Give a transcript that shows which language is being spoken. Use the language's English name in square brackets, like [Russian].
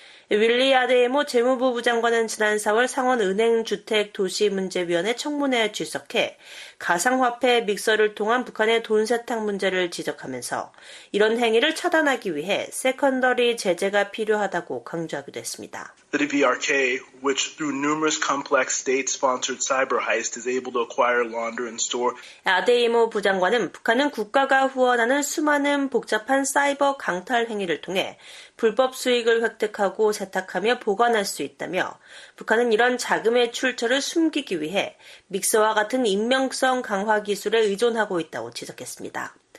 [Korean] 윌리 아데이모 재무부 부장관은 지난 4월 상원은행주택도시문제위원회 청문회에 출석해 가상화폐 믹서를 통한 북한의 돈 세탁 문제를 지적하면서 이런 행위를 차단하기 위해 세컨더리 제재가 필요하다고 강조하기도 했습니다. [English] The DPRK, which through numerous complex state-sponsored cyber heists is able to acquire, launder, and store. [Korean] 아데이모 부장관은 북한은 국가가 후원하는 수많은 복잡한 사이버 강탈 행위를 통해 불법 수익을 획득하고 세탁하며 보관할 수 있다며 북한은 이런 자금의 출처를 숨기기 위해 믹서와 같은 익명성 강화 기술에 의존하고 있다고 지적했습니다.